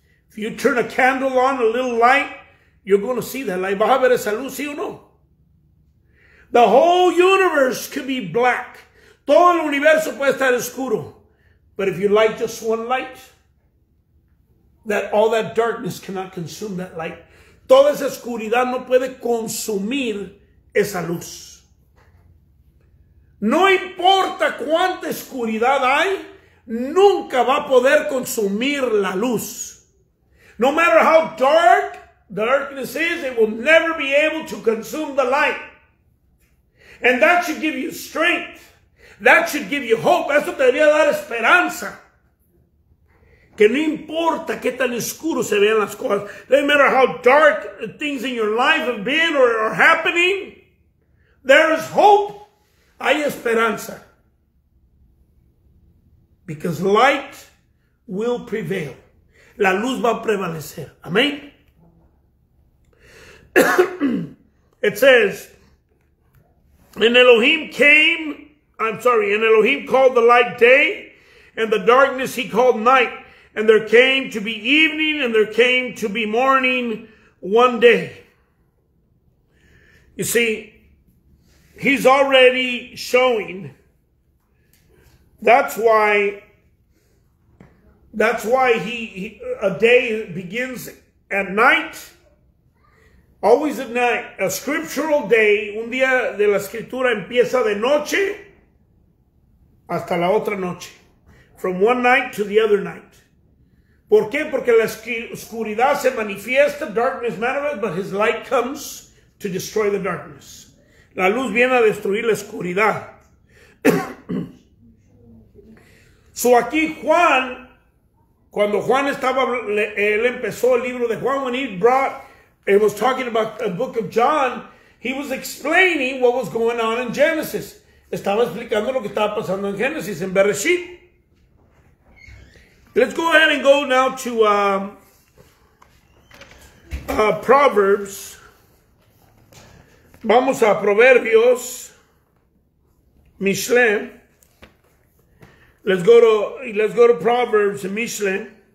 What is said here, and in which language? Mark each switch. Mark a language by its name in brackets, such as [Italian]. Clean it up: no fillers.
[English] If you turn a candle on, a little light, you're going to see that light. [Spanish] ¿Vas a ver esa luz, sí o no? [English] The whole universe could be black. [Spanish] Todo el universo puede estar oscuro. [English] But if you light just one light, that all that darkness cannot consume that light. [Spanish] Toda esa oscuridad no puede consumir esa luz. No importa cuánta oscuridad hay, nunca va a poder consumir la luz. [English] No matter how dark the darkness is, it will never be able to consume the light. And that should give you strength. That should give you hope. [Spanish] Eso te debería dar esperanza. Que no importa qué tan oscuro se vean las cosas. [English] No matter how dark things in your life have been or are happening. There is hope. [Spanish] Hay esperanza. [English] Because light will prevail. [Spanish] La luz va a prevalecer. Amén. [English] It says, and Elohim came, I'm sorry, and Elohim called the light day, and the darkness he called night. And there came to be evening, and there came to be morning one day. You see, He's already showing. That's why a day begins at night. Always at night. A scriptural day, [Spanish] un día de la escritura empieza de noche hasta la otra noche. [English] From one night to the other night. [Spanish] ¿Por qué? Porque la oscuridad se manifiesta, [English] darkness manifests, but his light comes to destroy the darkness. [Spanish] La luz viene a destruir la oscuridad. [English] So [Spanish] aquí Juan, cuando Juan estaba, él empezó el libro de Juan, [English] when he brought, and was talking about the book of John, he was explaining what was going on in Genesis. [Spanish] Estaba explicando lo que estaba pasando en Génesis, en Bereshit. [English] Let's go ahead and go now to Proverbs. [Spanish] Vamos a Proverbios. Mishle. [English] Let's go to Proverbs and Mishle.